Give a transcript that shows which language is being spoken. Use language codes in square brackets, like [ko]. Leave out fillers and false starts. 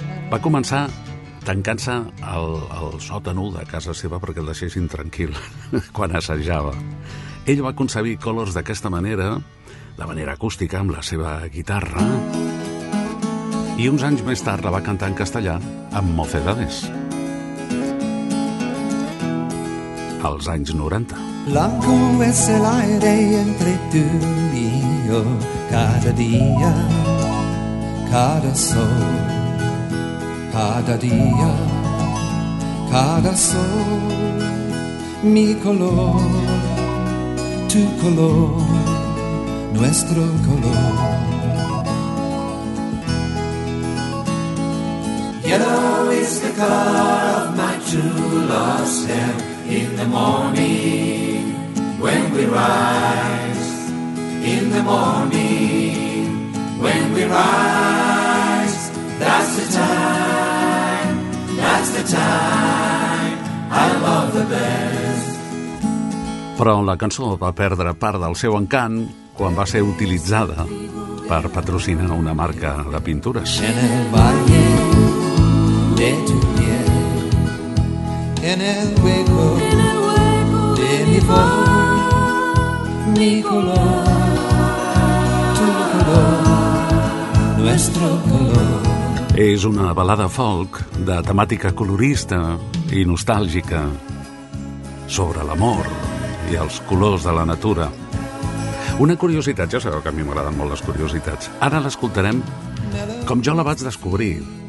[ca] Va començar tancant-se el sòtano de casa seva perquè el deixessin tranquil quan assajava. Ell va concebir Colors d'aquesta manera, de manera acústica, amb la seva guitarra, i uns anys més tard la va cantar en castellà amb Mocedades. Als anys 90. [es] Blanco es el aire entre tu y yo, cada dia, cada sol, cada dia, cada sol, mi color. Tu color, nuestro color. [en] Yellow is the color of my true love's hair in the morning when we rise. In the morning when we rise. That's the time I love the best. [ca] Però la cançó va perdre part del seu encant quan va ser utilitzada per patrocinar una marca de pintures. [es] En el valle de tu piel, en el hueco de mi voz, mi color, tu color, nuestro color. [ca] És una balada folk de temàtica colorista i nostàlgica sobre l'amor i els colors de la natura. Una curiositat, ja sabeu que a mi m'agraden molt les curiositats. Ara l'escoltarem com jo la vaig descobrir.